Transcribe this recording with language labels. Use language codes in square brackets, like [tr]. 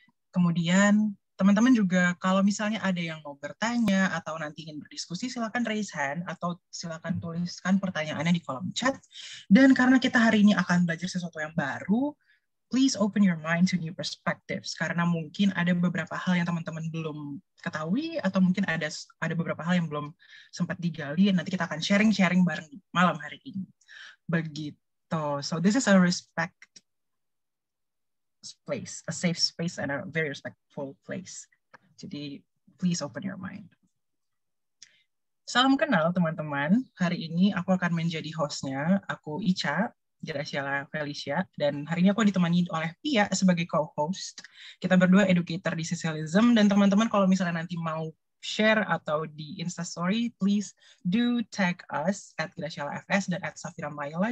[id] Kemudian teman-teman juga kalau misalnya ada yang mau bertanya atau nanti ingin berdiskusi, silakan [en] raise hand [id] atau silakan tuliskan pertanyaannya di kolom chat. Dan karena kita hari ini akan belajar sesuatu yang baru, [en] please open your mind to new perspectives, [id] karena mungkin ada beberapa hal yang teman-teman belum ketahui atau mungkin ada beberapa hal yang belum sempat digali. Nanti kita akan sharing-sharing bareng malam hari ini. Begitu. [en] So this is a respect place, a safe space and a very respectful place. [id] Jadi [en] please open your mind. [id] Salam kenal teman-teman. Hari ini aku akan menjadi hostnya. Aku Ica. Graciela Felicia, dan hari ini aku ditemani oleh Pia sebagai co-host. Kita berdua educator di Socialism, dan teman-teman kalau misalnya nanti mau share atau di Instastory, [en] please do tag us [id] at Graciela FS dan at Safira Mayala.